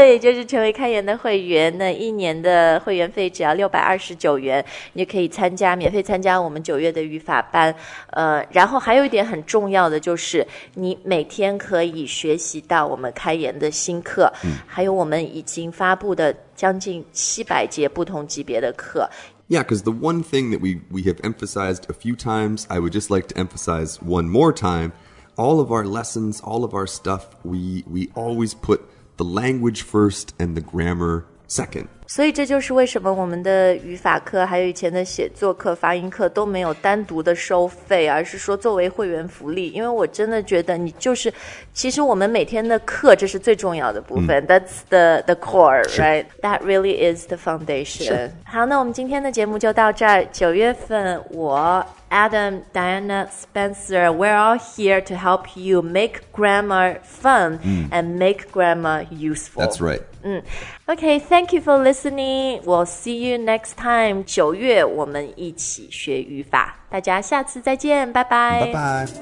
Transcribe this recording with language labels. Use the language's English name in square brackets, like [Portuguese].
[Chinese] 对就是成为开言的会员那一年的会员费只要629元你可以参加免费参加我们九月的语法班然后还有一点很重要的就是你每天可以学习到我们开言的新课还有我们已经发布的将近700节不同级别的课 [English] Yeah, because the one thing that we have emphasized a few times I would just like to emphasize one more timeAll of our lessons, all of our stuff, we always put the language first and the grammar second. [Chinese] 所以这就是为什么我们的语法课还有以前的写作课、发音课都没有单独的收费，而是说作为会员福利。因为我真的觉得你就是，其实我们每天的课这是最重要的部分。 [English] That's the core, right? That really is the foundation. [Chinese] 好，那我们今天的节目就到这儿。九月份我。 [English] Adam, Diana, Spencer, we're all here to help you make grammar fun and make grammar useful. That's right. Okay, thank you for listening. We'll see you next time. [Chinese] 九月我们一起学语法。大家下次再见，拜拜。